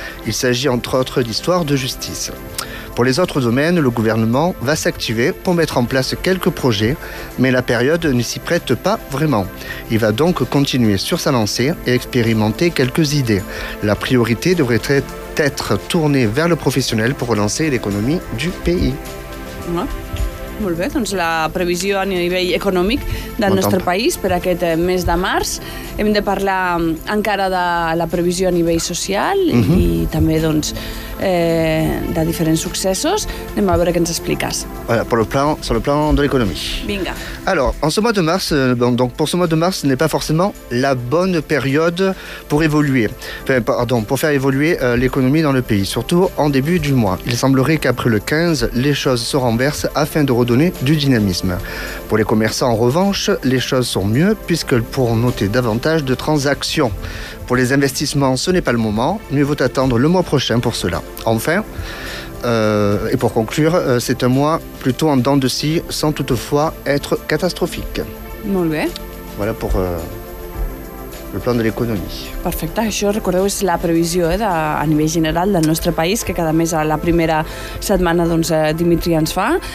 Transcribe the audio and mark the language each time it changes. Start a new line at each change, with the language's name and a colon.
French: Il s'agit entre autres d'histoires de justice. Pour les autres domaines, le gouvernement va s'activer pour mettre en place quelques projets, mais la période ne s'y prête pas vraiment. Il va donc continuer sur sa lancée et expérimenter quelques idées. La priorité devrait être tournée vers le professionnel pour relancer l'économie du pays. Ouais.
Catalan: Molt bé, doncs la previsió a nivell econòmic del bon nostre país per aquest mes de març. Hem de parlar encara de la previsió a nivell social mm-hmm. i també doncs, de diferents successos. Anem a veure què ens expliques.
French: Voilà, sur le plan de l'économie.
Catalan: Vinga.
French: Alors, en ce mois de mars, donc pour ce mois de mars, ce n'est pas forcément la bonne période pour évoluer. Enfin, pardon, pour faire évoluer l'économie dans le pays, surtout en début du mois. Il semblerait qu'après le 15, les choses se renversent afin de redonner du dynamisme. Pour les commerçants, en revanche, les choses sont mieux puisqu'ils pourront noter davantage de transactions. Pour les investissements, ce n'est pas le moment. Mieux vaut attendre le mois prochain pour cela. Enfin, et pour conclure, c'est un mois plutôt en dents de scie, sans toutefois être catastrophique.
Catalan: Molt bé.
French: Voilà pour le plan de l'économie.
Catalan: Perfecte. Això, recordeu, és la previsió a nivell general del nostre país, que cada mes a la primera setmana doncs, Dimitri ens fa.